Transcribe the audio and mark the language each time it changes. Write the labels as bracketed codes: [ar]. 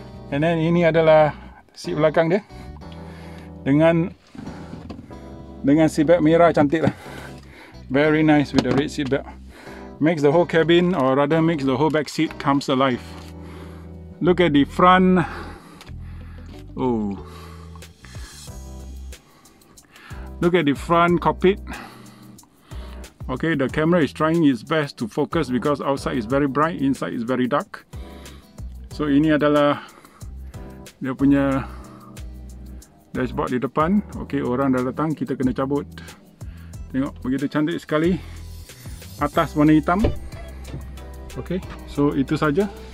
[ms] And then ini adalah seat belakang dia dengan seat belt merah, cantik lah. [en] Very nice with the red seat belt. Makes the whole cabin, or rather makes the whole back seat comes alive. Look at the front. Look at the front cockpit. Okay, the camera is trying its best to focus because outside is very bright, inside is very dark. [ms] So ini adalah dia punya dashboard di depan. Okay, orang dah datang, kita kena cabut. Tengok, begitu cantik sekali. Atas warna hitam. Okay, so itu saja.